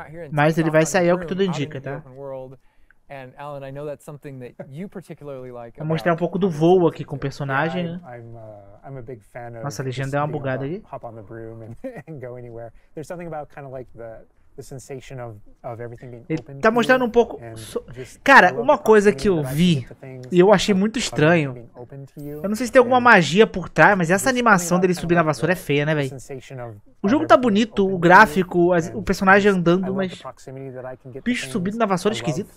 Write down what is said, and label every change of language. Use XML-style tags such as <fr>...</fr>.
<pt>Mas ele vai sair, é o que tudo indica, tá?</pt> <en>And Alan, I know that's something that you particularly like.</en> <pt>Vou mostrar um pouco do voo aqui com o personagem, né?</pt> <en>I'm a big fan of.</en> <pt>Nossa, a legenda é uma bugada aí.</pt> <en>Hop on the broom and go anywhere. There's something about kind of like the sensation of everything being open.</en> <pt>Tá mostrando um pouco. Cara, uma coisa que eu vi e eu achei muito estranho. Eu não sei se tem alguma magia por trás, mas essa animação dele subir na vassoura é feia, né, velho? O jogo tá bonito, o gráfico, o personagem andando, mas bicho subindo na vassoura é esquisito.</pt>